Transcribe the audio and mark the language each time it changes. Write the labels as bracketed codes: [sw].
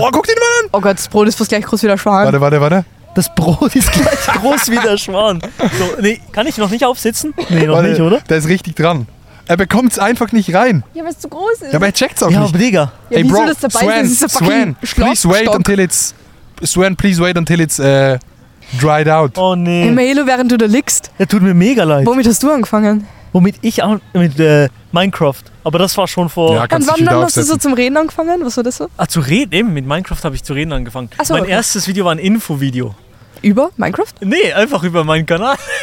[de] Oh, guck den mal an! Oh Gott, das Brot ist fast gleich groß wie der Schwan. Warte. Das Brot ist gleich groß wie der Schwan. So, nee, kann ich noch nicht aufsitzen? Nee, noch nicht, oder? Der ist richtig dran. Er bekommt es einfach nicht rein. Ja, weil es zu groß ist. Ja, aber er checkt's auch nicht. Ja, aber Digga. Ja, wie soll das dabei sein? Das ist ein fucking Schlagstock. [en] Swan, please wait until it's dried out. [de] Oh nee. Hey Mahelo, während du da liegst. Er tut mir mega leid. Womit hast du angefangen? Womit ich an? Mit Minecraft. Aber das war schon vor... Ja, kannst du dich wieder aufsetzen. Hast du so zum Reden angefangen? Was war das so? Ah, zu reden? Eben, mit Minecraft habe ich zu reden angefangen. Ach so, mein erstes Video war ein Infovideo. Über Minecraft? Nee, einfach über meinen Kanal.